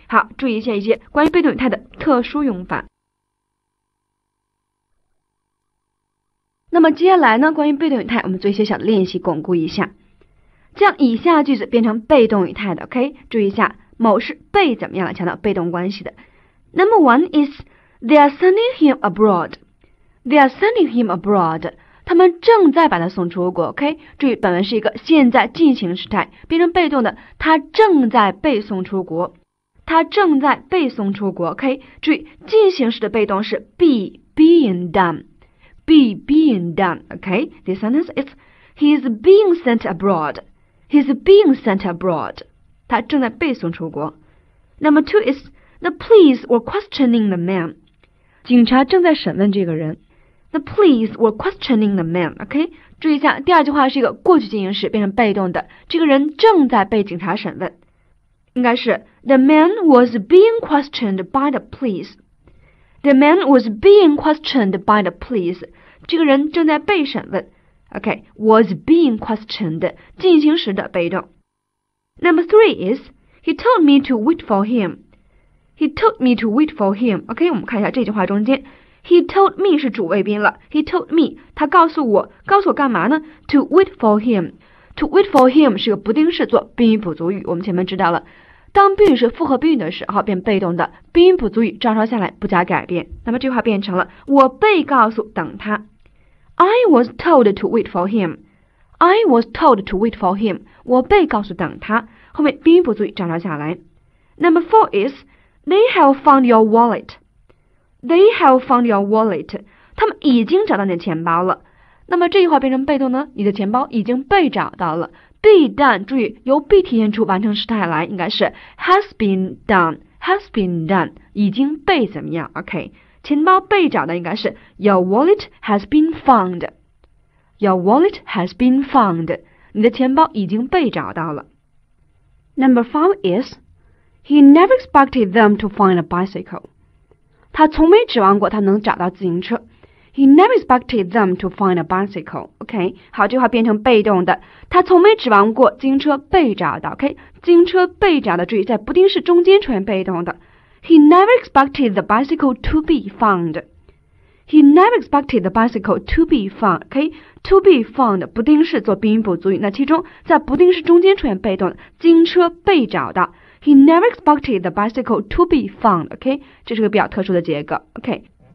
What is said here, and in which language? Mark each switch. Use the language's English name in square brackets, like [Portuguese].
[Chinese] 好，注意一下一些关于被动语态的特殊用法。那么接下来呢，关于被动语态我们做一些小的练习巩固一下，将以下句子变成被动语态的， OK? 注意一下某是被怎么样来强调被动关系的。 [English] Number one is They are sending him abroad. They are sending him abroad. [Chinese] 他们正在把他送出国 ,OK? 注意本文是一个现在进行时态，变成被动的他正在被送出国。他正在被送出国 ,OK? 注意进行时的被动是 [English] be being done, be being done, [Chinese] OK? [English] This sentence is, he is being sent abroad, he is being sent abroad, [Chinese] 他正在被送出国。 [English] Number two is, the police were questioning the man, [Chinese] 警察正在审问这个人。 [English] The police were questioning the man, OK? [Chinese] 注意一下第二句话是一个过去进行时变成被动的，这个人正在被警察审问，应该是 [English] The man was being questioned by the police. The man was being questioned by the police. [Chinese] 这个人正在被审问， OK? [English] Was being questioned, [Chinese] 进行时的被动。 [English] Number three is He told me to wait for him. He told me to wait for him. OK? [Chinese] 我们看一下这句话中间 [English] He told me 是主谓宾了。 He told me, [Chinese] 他告诉我，告诉我干嘛呢 [English] ?To wait for him. To wait for him [Chinese] 是个不定式做宾语补足语，我们前面知道了。当宾语是复合宾语的时候变被动的，宾语补足语照抄下来不加改变。那么这句话变成了我被告诉等他。 [English] I was told to wait for him. I was told to wait for him. [Chinese] 我被告诉等他。后面宾语补足语照抄下来。 [English] Number four is, they have found your wallet. They have found your wallet. [Chinese] 他们已经找到你的钱包了。那么这句话变成被动呢？你的钱包已经被找到了。 Be done, 注意由 be 体现出完成时态来，应该是 [English] has been done, has been done, [Chinese] 已经被怎么样 ,OK? 钱包被找到应该是 [English] your wallet has been found. Your wallet has been found. [Chinese] 你的钱包已经被找到了。 [English] Number five is, he never expected them to find a bicycle. [Chinese] 他从没指望过他能找到自行车。 [English] He never expected them to find a bicycle. [Chinese] OK, 好，这句话变成被动的。他从没指望过自行车被找到。OK, 自行车被找到，注意在不定式中间出现被动的。 [English] He never expected the bicycle to be found. He never expected the bicycle to be found. [Chinese] OK, to be found 不定式做宾语补足语，那其中在不定式中间出现被动的，自行车被找到。 [English] He never expected the bicycle to be found, OK? [Chinese] 这是个比较特殊的结构 ,OK?